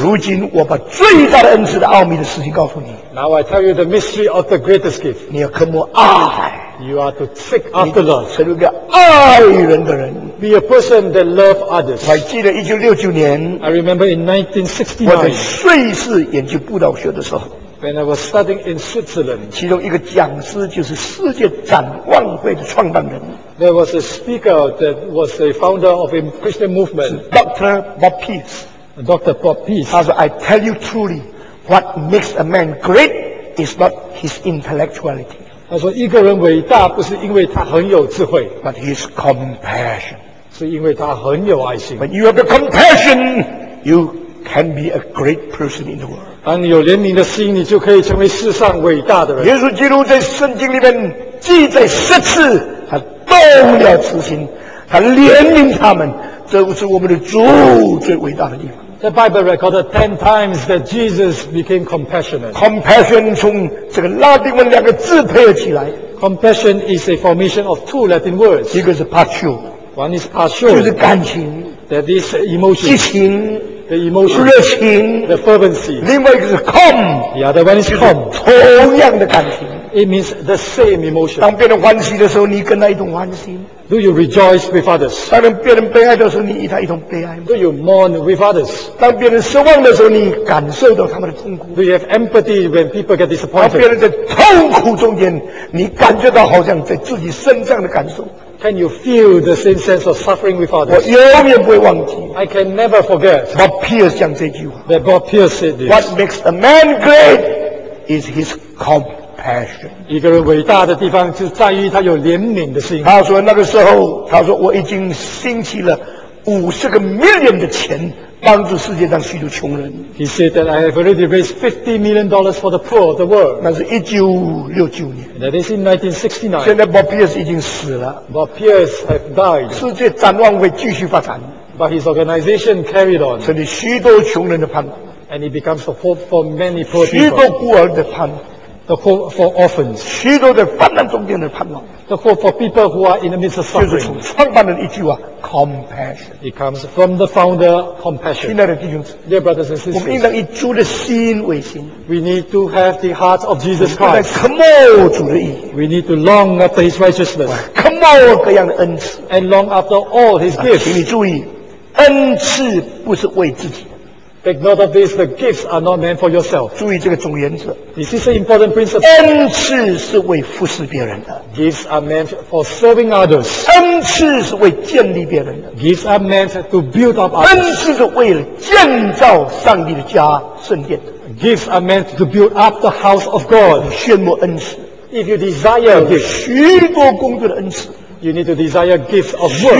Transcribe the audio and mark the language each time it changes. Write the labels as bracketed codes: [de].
[zh] 如今我把最大的恩赐的奥秘的事情告诉你。 [en] Now I tell you the mystery of the greatest gift. [zh] 你要渴慕爱。 [en] You are to seek after love. [zh] 成为一个爱人的人。 [en] Be a person that loves others. [zh] 还记得1969年 [en] I remember in 1969, [zh] 我在瑞士研究布道学的时候 [en] When I was studying in Switzerland, [zh] 其中一个讲师就是世界展望会的创办人 [en] There was a speaker that was a founder of a Christian movement. Dr. Bob Peace. Dr. Bob Peace. [zh] 他说 [en] I tell you truly, what makes a man great is not his intellectuality. [zh] 他说一个人伟大不是因为他很有智慧 [en] But his compassion [zh] 是因为他很有爱心 [en] When you have the compassion You can be a great person in the world [zh] 当你有怜悯的心你就可以成为世上伟大的人耶稣基督在圣经里面记载十次他动了慈心他怜悯他们这是我们的主最伟大的地方 [en] The Bible recorded 10 times that Jesus became compassionate. [zh] Compassion 从这个拉丁文两个字配合起来。 [en] Compassion is a formation of two Latin words. [zh] 一个是 patio. [en] One is patio. [zh] 就是感情。 [en] That is emotion. [zh] 激情。 [en] The emotion. [zh] 热情。 [en] The fervency. [zh] 另外一个是 com. [en] The other one is com. [zh] 同样的感情。 [en] It means the same emotion. [zh] 当别人欢喜的时候你跟他一同欢喜。 [en] Do you rejoice with others? [zh] 当人别人悲哀的时候，你与他一同悲哀吗 [en] ？Do you mourn with others? [zh] 当别人失望的时候，你感受到他们的痛苦。 [en] Do you have empathy when people get disappointed? [zh] 当别人在痛苦中间，你感觉到好像在自己身上的感受。 [en] Can you feel the same sense of suffering with others? [zh] 我永远不会忘记。 [en] I can never forget. [zh] Bob Pierce 讲这句话。 [en] That Bob Pierce said this. What makes a man great is his compassion. [zh] 一个人伟大的地方就在于他有怜悯的心。他说那个时候，他说我已经兴起了$50 million的钱，帮助世界上许多穷人。 [en] He said that I have already raised $50 million for the poor of the world. [zh] 那是1969年。 [en] That is in 1969. [zh] 现在 Bob Pierce 已经死了。 [en] Bob Pierce has died. [zh] 世界展望会继续发展。 [en] But his organization carried on. [zh] 成为许多穷人的盼望。 [en] And it becomes a hope for many poor people. [zh] 许多孤儿的盼望。 [en] The hope for orphans. [zh] 许多在患难中间的盼望。 [en] The hope for people who are in the midst of suffering. [zh] 就是从创办人一句话 ，compassion. [en] It comes from the founder, compassion. [zh] 亲爱的弟兄姊妹 [en] ，Dear brothers and sisters, [zh] 我们应当以主的心为心。 [en] We need to have the heart of Jesus Christ. [zh] 应当渴慕主的义。 [en] We need to long after His righteousness. [zh] 渴慕各样的恩赐。 [en] And long after all His gifts. [zh] 请你注意，恩赐不是为自己。 [en] Take note of this, the gifts are not meant for yourself. [zh] 注意这个总原则。 [en] This is an important principle. [zh] 恩赐是为服侍别人的。 [en] Gifts are meant for serving others. [zh] 恩赐是为建立别人的。 [en] Gifts are meant to build up others. [zh] 恩赐是为了建造上帝的家，圣殿。 [en] Gifts are meant to build up the house of God. [zh] 羡慕恩赐。 [en] If you desire gifts, [zh] 许多工作的恩赐。 [en] You need to desire gifts of work.